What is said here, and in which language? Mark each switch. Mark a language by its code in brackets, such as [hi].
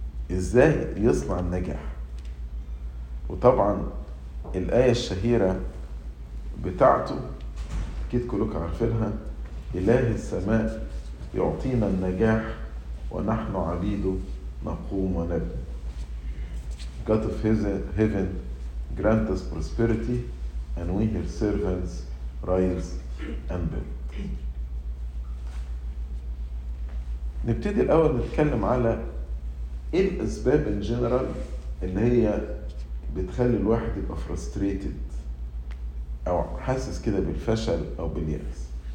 [ar] ازاي يصنع النجاح؟ وطبعا الآية الشهيرة بتاعته اكيد كلكم عارفينها, إله السماء يعطينا النجاح ونحن عبيده نقوم ونبني. [en] God of heaven grant us prosperity and we his servants rise and build. [ar] نبتدي الأول نتكلم على إيه الأسباب [en] in general [ar] اللي هي بتخلي الواحد يبقى frustrated أو حاسس كده بالفشل أو باليأس.